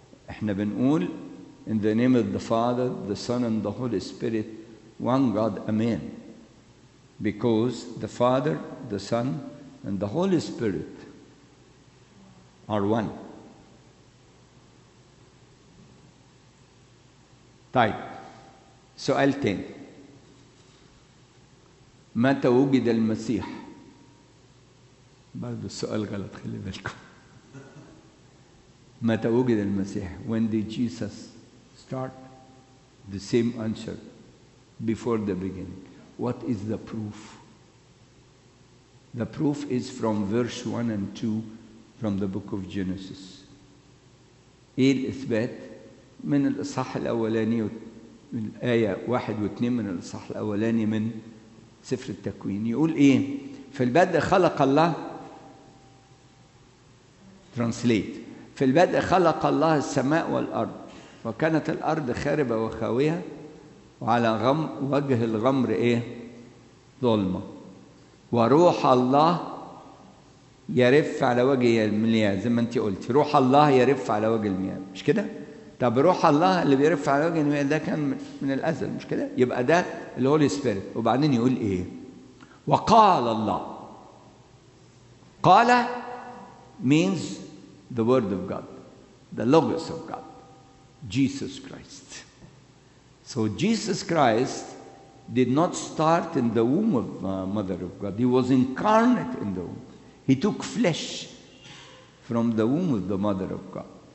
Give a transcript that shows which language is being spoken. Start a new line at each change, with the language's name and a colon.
Arabic: احنا بنقول
English: in the name of the Father, the Son and the Holy Spirit, one God, Amen. Because the Father, the Son and the Holy Spirit are one.
Arabic: طيب سؤال تاني، متى وجد المسيح؟ برضو السؤال غلط، خلي بالكم. متى وجد المسيح؟
English: When did Jesus start? The same answer. Before the beginning. What is the proof? The proof is from verse 1 and 2 from the book of Genesis.
Arabic: إيه الإثبات؟ من الإصحاح الأولاني الآية 1 و2 من الإصحاح الأولاني من سفر التكوين، يقول إيه؟ في البدء خلق الله، ترانسليت، في البدء خلق الله السماء والأرض، وكانت الأرض خاربة وخاوية، وعلى وجه الغمر إيه؟ ظلمة، وروح الله يرف على وجه المياه، زي ما أنت قلت، روح الله يرف على وجه المياه، مش كده؟ طب روح الله اللي بيرفع على وجه المياه ده كان من الأزل، مش كده؟ يبقى ده الهولي سبيريت. وبعدين يقول ايه؟ وقال الله.
English: قال means the word of God, the logos of God, Jesus Christ. So Jesus Christ did not start in the womb of mother of God. He was incarnate in the womb. He took flesh from the womb of the mother of God.